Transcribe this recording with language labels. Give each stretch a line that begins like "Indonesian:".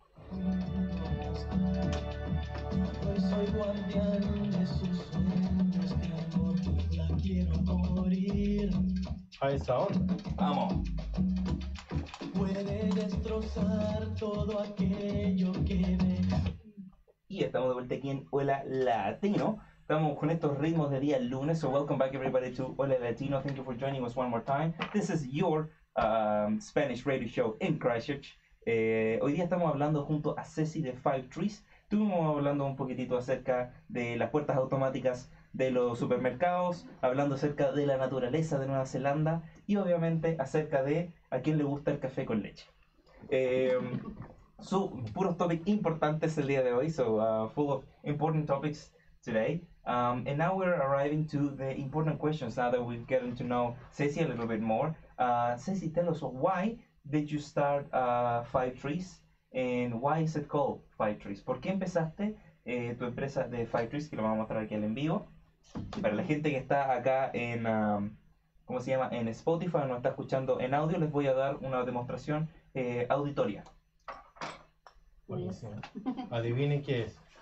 Spanish: Pues soy guardián de sus sueños, de amor, la quiero morir. A esa onda. Vamos. Puede destrozar todo aquello que ve. Y estamos de vuelta aquí en Hola Latino. Estamos con estos ritmos de día lunes.
English: So welcome back everybody to Hola Latino. Thank you for joining us one more time. This is your Spanish radio show in Christchurch.
Spanish: Hoy día estamos hablando junto a Ceci de Five Trees. Estuvimos hablando un poquitito acerca de las puertas automáticas de los supermercados, hablando acerca de la naturaleza de Nueva Zelanda y obviamente acerca de a quién le gusta el café con leche. So, puros topics importantes el día de hoy,
English: so full of important topics today. And now we're arriving to the important questions now that we've gotten to know Ceci a little bit more. Ceci, tell us, why did you start Five Trees? And why is it called Five Trees?
Spanish: ¿Por qué empezaste tu empresa de Five Trees? Que lo vamos a mostrar aquí en vivo. Para la gente que está acá en, ¿cómo se llama? En Spotify, no está escuchando en audio, les voy a dar una demostración auditoria. Buenísimo. Adivinen qué es.